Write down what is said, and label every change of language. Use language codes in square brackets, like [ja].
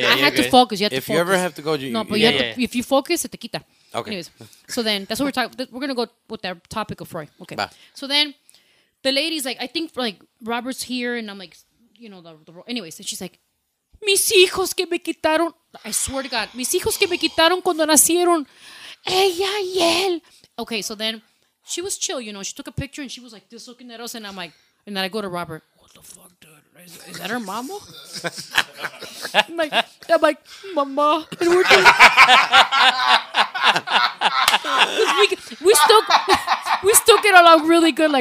[en] Yeah, I had to focus. If you ever have to go, you No, but you have to, if you focus, [es] se te quita. [en] Okay. Anyways, so then that's what we're talking. We're gonna go with that topic of Roy. Okay. Bye. So then, the lady's like, I think for like Robert's here, and I'm like, you know, the anyways, and she's like, [es] mis hijos que me quitaron. [en] I swear to God, [es] mis hijos que me quitaron cuando nacieron. Ella y él. [en] Okay. So then, she was chill. You know, she took a picture and she was like this looking at us, and I'm like, and then I go to Robert. What the fuck, dude? Is that her mama? I'm like, mama. And we're just, we still get along really good.